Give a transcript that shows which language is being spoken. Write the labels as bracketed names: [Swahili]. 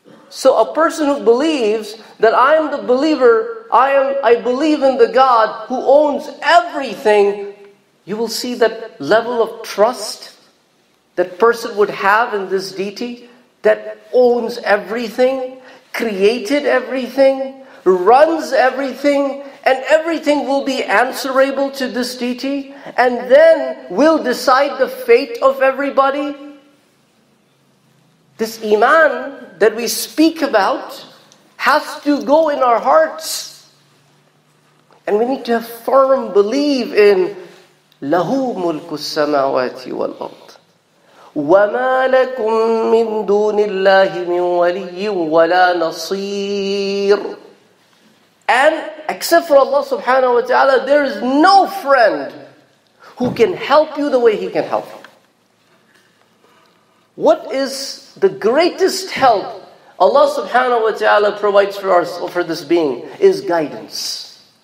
[English] So a person who believes that I am the believer, I believe in the God who owns everything, you will see that level of trust that person would have in this deity that owns everything, created everything, runs everything, and everything will be answerable to this deity, and then will decide the fate of everybody. This iman that we speak about has to go in our hearts. And we need to have firm belief in [Arabic] لَهُ مُلْكُ السَّمَاوَاتِ وَالْأَرْضِ وَمَا لَكُمْ مِن دُونِ اللَّهِ مِن وَلِيٍّ وَلَا نَصِيرٍ. [English] And except for Allah subhanahu wa ta'ala, there is no friend who can help you the way he can help. What is the greatest help Allah subhanahu wa ta'ala provides for us, for this being, is guidance.